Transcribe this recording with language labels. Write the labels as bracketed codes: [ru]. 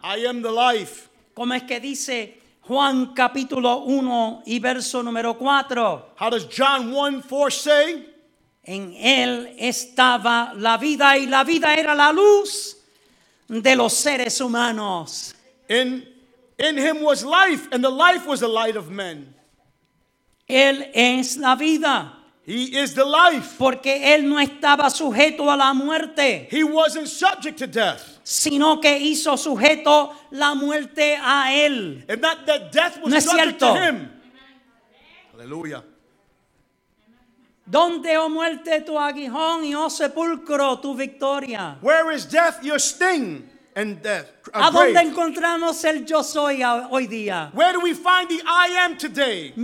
[en] I am the life. [es] Como es que dice Juan capítulo 1 y verso número 4. [en] How does John 1, 4 say? [es] En él estaba la vida y la vida era la luz de los seres humanos. [en] In him was life and the life was the light of men. [es] Él es la vida. [en] He is the life. [es] Porque él no estaba sujeto a la muerte. [en] He wasn't subject to death. [es] Sino que hizo sujeto la muerte a él. [en] And not that death was [es] no [en] subject [es] cierto. [en] To him. Hallelujah. [es] ¿Dónde, oh muerte, tu aguijón y oh sepulcro, tu victoria? [en] Where is death your sting and death? [es] ¿A dónde encontramos el yo soy hoy día? [en] Where do we find the I am today?